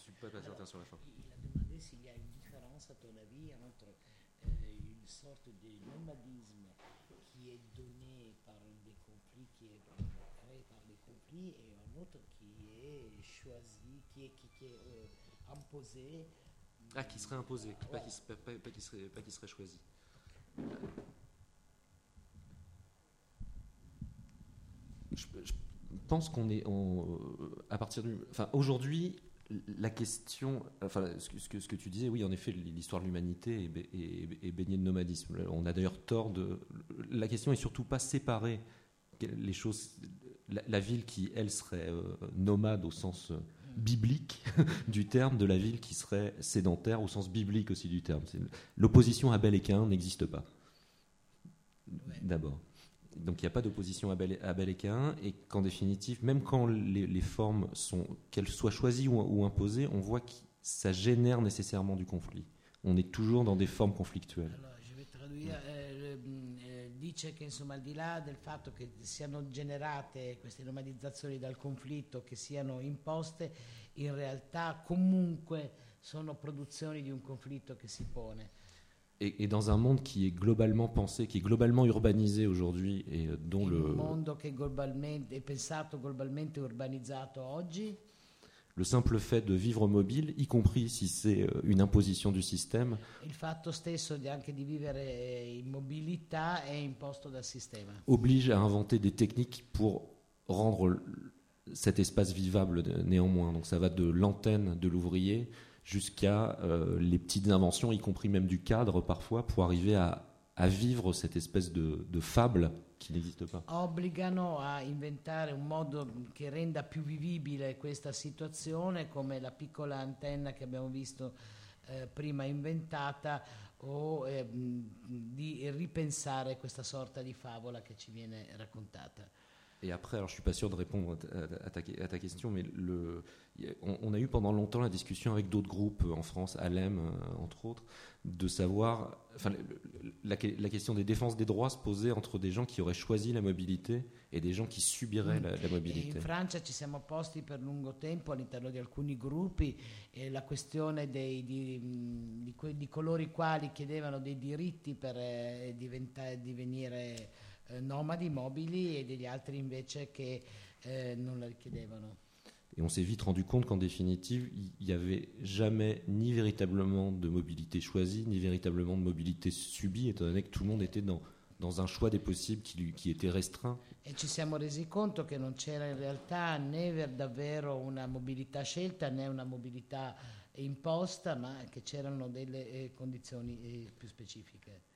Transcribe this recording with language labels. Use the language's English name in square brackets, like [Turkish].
[Italian] domanda è se la differenza tra la vita [French] entre [Italian] un sorto di nomadismo che è [French] donné par des conflits, [Italian] che è creato [French] par des conflits, [Italian] e un altro che è [French] choisi, [Italian] che è [French] imposé. Ah, qui serait imposé, pas qui serait choisi. Je pense qu'on est en, à partir du, enfin aujourd'hui la question, enfin ce que tu disais, oui en effet l'histoire de l'humanité est baignée de nomadisme. On a d'ailleurs tort de, la question est surtout pas séparer les choses, la ville qui elle serait nomade au sens biblique du terme, de la ville qui serait sédentaire au sens biblique aussi du terme. L'opposition Abel et Caïn n'existe pas, ouais. D'abord. Donc il n'y a pas d'opposition Abel et Caïn, et qu'en définitive, même quand les formes sont, qu'elles soient choisies ou imposées, on voit que ça génère nécessairement du conflit. On est toujours dans des formes conflictuelles. Alors, je vais traduire. Ouais. [Italian] Dice che insomma al di là del fatto che siano generate queste nomadizzazioni dal conflitto, che siano imposte, in realtà comunque sono produzioni di un conflitto che si pone. [French] E dans un monde qui est globalement pensé, qui est globalement urbanisé aujourd'hui, et dont le [Italian] mondo che globalmente è pensato globalmente urbanizzato oggi. [French] Le simple fait de vivre mobile, y compris si c'est une imposition du système. [Italian] Il fatto stesso di anche di vivere in mobilità è imposto dal sistema. [French] Oblige à inventer des techniques pour rendre cet espace vivable néanmoins. Donc ça va de l'antenne de l'ouvrier jusqu'à les petites inventions, y compris même du cadre parfois, pour arriver à vivre cette espèce de fable. Qui n'existe pas. [Italian] Obbligano a inventare un modo che renda più vivibile questa situazione, come la piccola antenna che abbiamo visto prima inventata, o di ripensare questa sorta di favola che ci viene raccontata. [French] Et après, alors je suis pas sûr de répondre à ta question, mais on a eu pendant longtemps la discussion avec d'autres groupes en France, ALEM entre autres, de savoir, enfin la question des défenses des droits se posait entre des gens qui auraient choisi la mobilité et des gens qui subiraient la mobilité. [Italian] In Francia ci siamo posti per lungo tempo all'interno di alcuni gruppi la questione di coloro i quali chiedevano dei diritti per divenire nomadi mobili e degli altri invece che non la richiedevano. [French] Et on s'est vite rendu compte qu'en définitive, il n'y avait jamais ni véritablement de mobilité choisie, ni véritablement de mobilité subie, étant donné que tout le monde était dans un choix des possibles qui était restreint. [Italian] E ci siamo resi conto che non c'era in realtà né davvero una mobilità scelta né una mobilità imposta, ma che c'erano delle condizioni più specifiche.